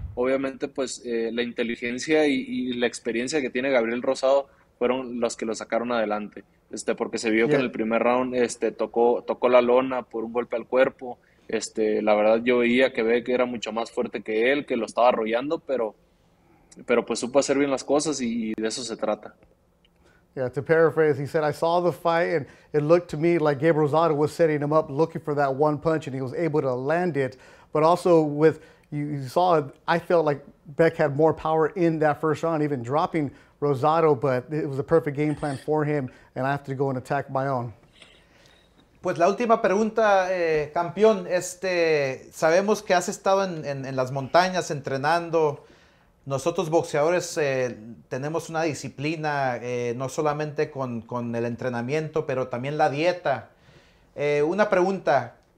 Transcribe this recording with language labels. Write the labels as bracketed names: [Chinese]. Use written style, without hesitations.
[Spanish] Obviamente pues la inteligencia y la experiencia que tiene Gabriel Rosado fueron los que lo sacaron adelante. Porque se vio que en el primer round tocó la lona por un golpe al cuerpo. La verdad yo veía que Beck era mucho más fuerte que él, que lo estaba arrollando, pero pues supo hacer bien las cosas y de eso se trata. [English] Yeah, to paraphrase, he said, I saw the fight and it looked to me like Gabriel Rosado was setting him up looking for that one punch and he was able to land it. But also with, you saw it, I felt like Beck had more power in that first round, even dropping Rosado, but it was a perfect game plan for him, and I have to go and attack my own. [Spanish] Pues la última pregunta, campeón. Sabemos que has estado en las montañas entrenando. Nosotros boxeadores tenemos una disciplina, no solamente con el entrenamiento, pero también la dieta. Una pregunta.